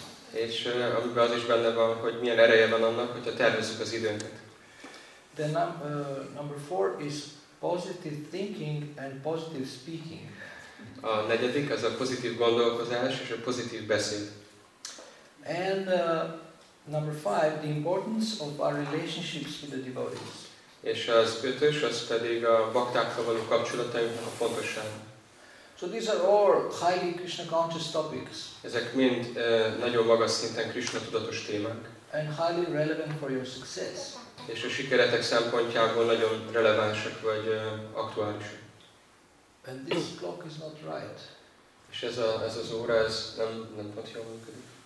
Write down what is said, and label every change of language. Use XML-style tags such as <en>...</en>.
<hu>És amiben az is benne van, hogy milyen ereje van annak, hogyha tervezzük az időnket.</hu> <en>The number 4 is positive thinking and positive speaking.</en> <hu>A negyedik az a pozitív gondolkozás és a pozitív beszéd.</hu> <en>And number 5, the importance of our relationships with the devotees.</en> <hu>És az ötös, az pedig a baktákkal való kapcsolatainknak a fontossága.</hu> <en>So these are all highly Krishna conscious topics.</en> <hu>Ezek mind nagyon magas szinten Krishna tudatos témák.</hu> <en>And highly relevant for your success.</en> <hu>És a sikeretek szempontjából nagyon relevánsak vagy aktuálisak.</hu> <en>And this clock is not right.</en> <hu>És ez az óra ez nem pont jól működik.</hu>